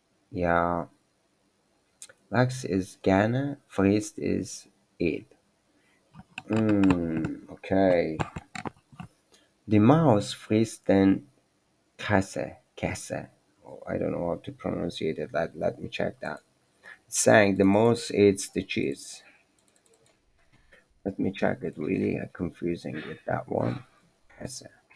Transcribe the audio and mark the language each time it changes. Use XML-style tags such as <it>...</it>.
<en>Yeah, likes is gerne, frisst is eat. Okay.</en> <de>Die Maus frisst den Käse.</de> <en>Oh, I don't know how to pronounce it. Let me check that. It's saying the mouse eats the cheese. Let me check it. Really confusing with that one. Käse.</en>